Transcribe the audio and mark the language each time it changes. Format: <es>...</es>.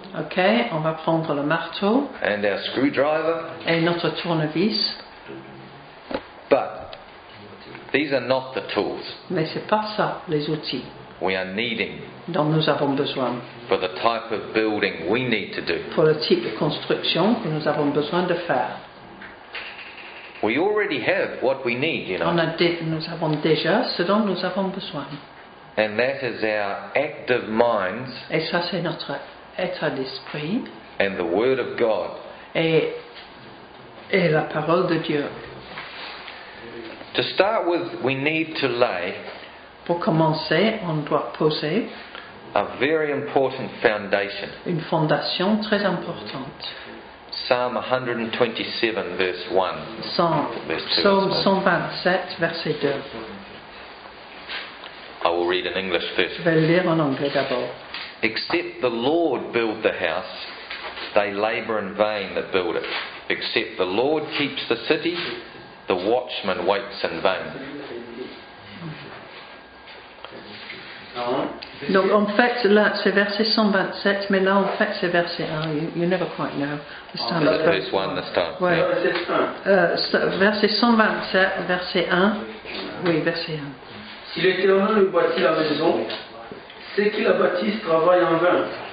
<fr>Okay, on va prendre le marteau.</fr> <en>And our screwdriver.</en> <fr>Et notre tournevis.</fr> <en>But these are not the tools.</en> <fr>Mais c'est pas ça les outils.</fr> <en>We are needing.</en> <fr>Dont nous avons besoin.</fr> <en>For the type of building we need to do.</en> <fr>Pour le type de construction que nous avons besoin de faire.</fr> <en>We already have what we need, you know.</en> <fr>Nous avons déjà ce dont nous avons besoin.</fr> <en>And that is our active minds.</en> <fr>Et ça, c'est notre état d'esprit.</fr> <en>And the Word of God.</en> <fr>Et la parole de Dieu.</fr> <en>To start with, we need to lay.</en> <fr>Pour commencer, on doit poser.</fr> <en>A very important foundation.</en> <fr>Une fondation très importante.</fr> <en>Psalm 127, verse 1.</en> <fr>Psalm 127, verset 2.</fr> <en>I will read in English first.</en> <fr>Je vais lire en anglais d'abord.</fr> <en>Except the Lord build the house, they labor in vain that build it. Except the Lord keeps the city, the watchman waits in vain.</en> <fr>Donc en fait, là, c'est verset 127, mais là, en fait, c'est verset 1.</fr> <en>You never quite know. This time, it's verse 1 this time.</en> <fr>Ouais.</fr> <en>Yeah.</en> <fr>Verset 127, verset 1. Oui, verset 1. Si l'Éternel bâtit la maison, ceux qui la bâtissent travaillent en vain.</fr>